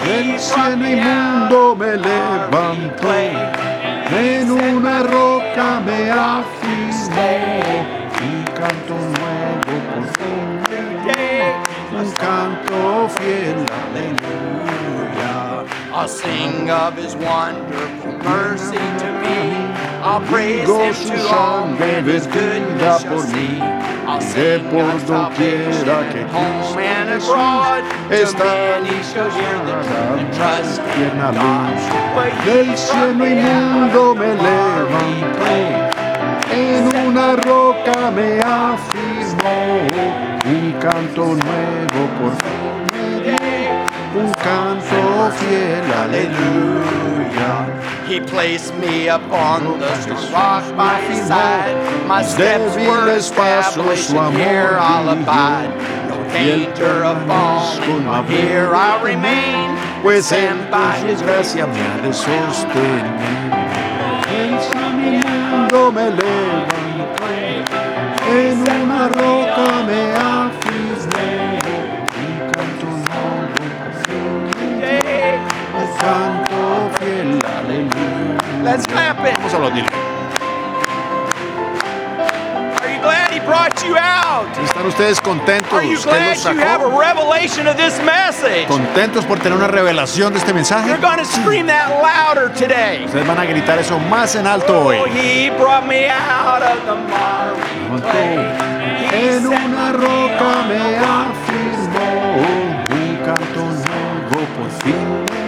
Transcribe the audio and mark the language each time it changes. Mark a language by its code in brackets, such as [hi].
[es] Del cielo y mundo me levantó, en una roca me afirmó, y canto nuevo por ti, un canto fiel, aleluya. [en] I'll sing of his wonderful mercy to me. I'll praise him to all and his goodness shall see. I'll sing of salvation at home and abroad. To many shall hear the truth and trust in God. [es] Del cielo y mundo me levanté, en una roca me afirmó, un canto nuevo por ti, un canto fiel, aleluya. [en] He placed me upon the strong rock by his side. My steps were established, and here I'll abide. No danger of falling, here I'll remain. [es] Pues él con su gracia me ha de sostener. Caminando me levanté, en una roca me afirmé. Canto fiel, aleluya. [en] Let's clap it. [es] Vamos a aplaudir. [en] Are you glad he brought you out? [es] ¿Están ustedes contentos? [en] Are you glad you have a revelation of this message? [es] ¿Contentos por tener una revelación de este mensaje? [en] You're going to scream that louder today. [es] Ustedes van a gritar eso más en alto hoy. [en] He brought me out of the mire. [es] En una roca me afirmó, un canto nuevo por fin.